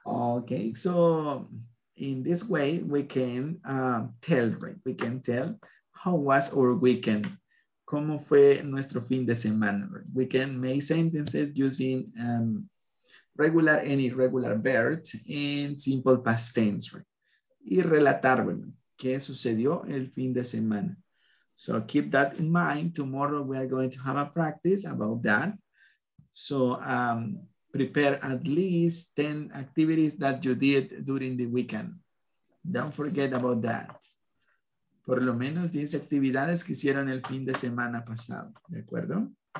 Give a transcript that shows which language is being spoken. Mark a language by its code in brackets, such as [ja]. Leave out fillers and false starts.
[en] Okay, so in this way, we can tell, right? We can tell how was our weekend. [es] ¿Cómo fue nuestro fin de semana? [en] We can make sentences using regular and irregular verbs and simple past tense, right? [es] Y relatar, bueno, qué sucedió el fin de semana. [en] So keep that in mind. Tomorrow we are going to have a practice about that. So prepare at least 10 activities that you did during the weekend. Don't forget about that. [es] Por lo menos 10 actividades que hicieron el fin de semana pasado, ¿de acuerdo?